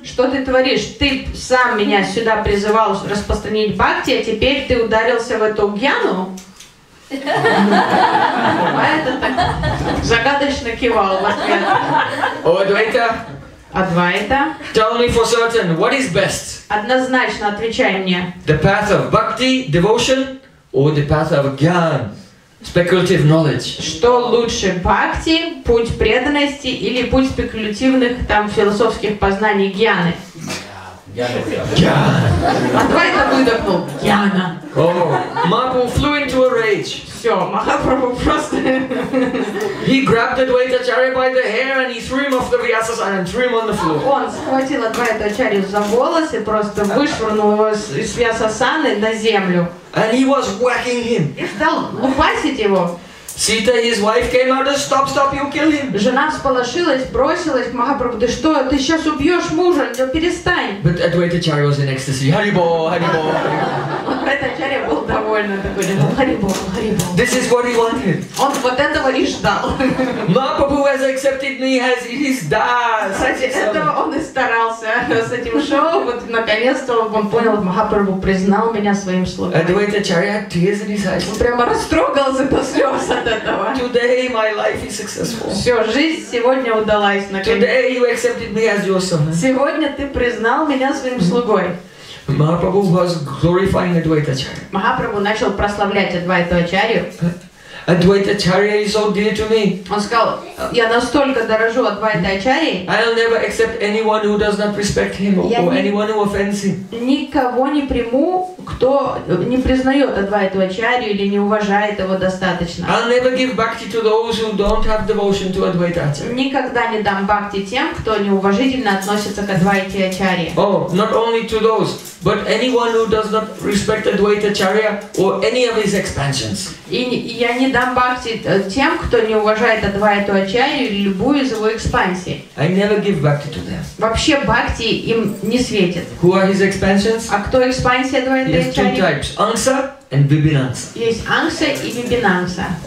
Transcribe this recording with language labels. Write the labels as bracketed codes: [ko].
[ru] Что ты творишь? Ты сам меня сюда призывал распространить бхакти, а теперь ты ударился в эту гьяну? Адвайта так загадочно кивал в ответ. О, Адвайта! Адвайта. [en] Tell me for certain, what is best? [ru] Однозначно отвечай мне. [en] The path of bhakti, devotion, or the path of gyan, speculative knowledge? [ru] Что лучше, бхакти, путь преданности или путь спекулятивных там философских познаний гьяны? Гьяна. Адвайта выдохнул. Гьяна. [en] Oh, Mahaprabhu flew into a rage. [ru] Все, Махапрабху просто. [en] He grabbed Advaita Acharya by the hair and he threw him off the Vyasasana and threw him on the floor. [ru] Он схватил Адвайта Ачарью за волосы, просто вышвырнул его из Вьясасаны на землю. [en] And he was whacking him. [ru] И стал лупасить его. [en] Sita, his wife, came out and stop, you'll kill him. [ru] Жена всполошилась, бросилась к Махапрабху. Ты что, ты сейчас убьешь мужа, ну перестань. [en] But Advaita Acharya was in ecstasy. Haribo, haribo, haribo. [ru] Адвайта Ачарья был довольный такой. [bn] Haribo, haribo. [en] This is what he wanted. [ru] Он вот этого и ждал. [en] Махапрабху has accepted me as his das. [ru] Кстати, этого он и старался с этим шоу. Вот наконец-то он понял, Махапрабху признал меня своим слугой. [en] Advaita Acharya had tears in his eyes. [ru] Он прямо растрогался до слез. [en] Today my life is successful. [ru] Все, жизнь сегодня удалась наконец. [en] Today you accepted me as your servant. [ru] Сегодня ты признал меня своим слугой. [en] Mahaprabhu was glorifying Advaita Acharya. [ru] Махапрабху начал прославлять Адвайту Ачарью. [en] Advaita Acharya is so dear to me. [ru] Он сказал, я настолько дорожу Адвайта Ачарьи. [en] I'll never accept anyone who does not respect him or anyone who offends him. [ru] Никого не приму, кто не признает Адвайту Ачарью или не уважает его достаточно. [en] I'll never give bhakti to those who don't have devotion to Advaita Acharya. [ru] Никогда не дам бхакти тем, кто неуважительно относится к Адвайте Ачарье. [en] Oh, not only to those, But anyone who does not respect the Dvaitacharya or any of his expansions. [ru] И я не дам бхакти тем, кто не уважает Адвайту Ачарью или любую из его экспансий. [en] I never give bhakti to them. [ru] Вообще бхакти им не светит. [en] Who are his expansions? [ru] А кто экспансия Двайтачарьи? [en] Есть two types: Angsa and Vibhinsa. [ru] Есть Angsa и Vibhinsa.